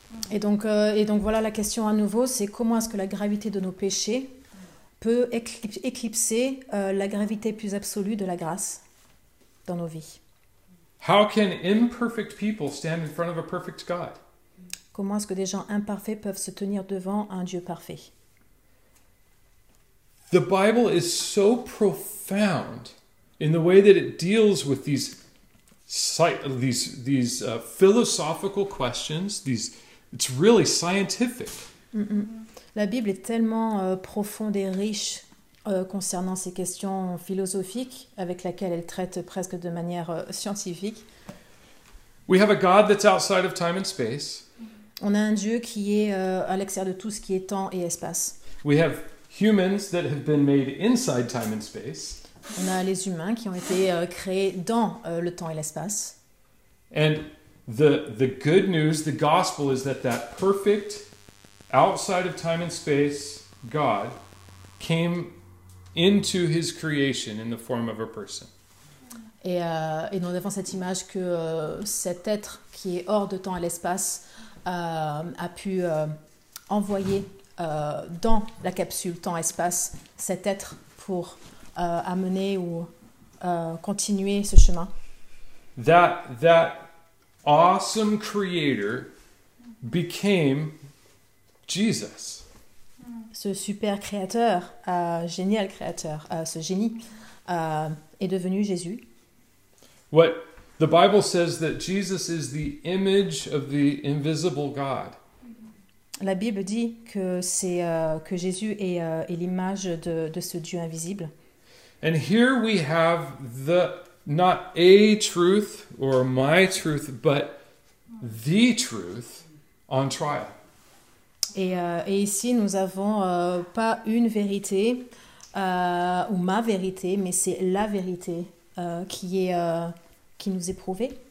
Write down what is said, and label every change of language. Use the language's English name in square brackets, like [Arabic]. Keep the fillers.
[French] Et donc, voilà la question à nouveau, c'est comment est-ce que la gravité de nos péchés peut éclipser euh, la gravité plus absolue de la grâce dans nos vies? [English] How can imperfect people stand in front of a perfect God? [French] Comment est-ce que des gens imparfaits peuvent se tenir devant un Dieu parfait? [English] The Bible is so profound in the way that it deals with these these these uh, philosophical questions. These it's really scientific. Mm -hmm. [French] La Bible est tellement euh, profonde et riche Euh, concernant ces questions philosophiques avec laquelle elle traite presque de manière euh, scientifique. [English] We have a God that's outside of time and space. [French] On a un Dieu qui est euh, à l'extérieur de tout ce qui est temps et espace. [English] We have humans that have been made inside time and space. [French] On a les humains qui ont été créés dans le temps et l'espace. [English] And the the good news, the gospel is that that perfect outside of time and space God came into his creation in the form of a person. [French] Et, euh, et nous avons cette image que euh, cet être qui est hors de temps et l'espace euh, a pu euh, envoyer dans la capsule temps-espace cet être pour amener ou continuer ce chemin. [English] That, that awesome creator became Jesus. [French] ce super créateur, euh, uh, génie, euh, est devenu Jésus. [English] What the Bible says that Jesus is the image of the invisible God. [French] La Bible dit que c'est uh, que Jésus est, uh, est l'image de, de ce Dieu invisible. [English] And here we have the not a truth or my truth, but the truth on trial. [French] Et, euh, et, ici, nous avons euh, pas une vérité euh, ou ma vérité, mais c'est la vérité qui est qui nous est prouvée.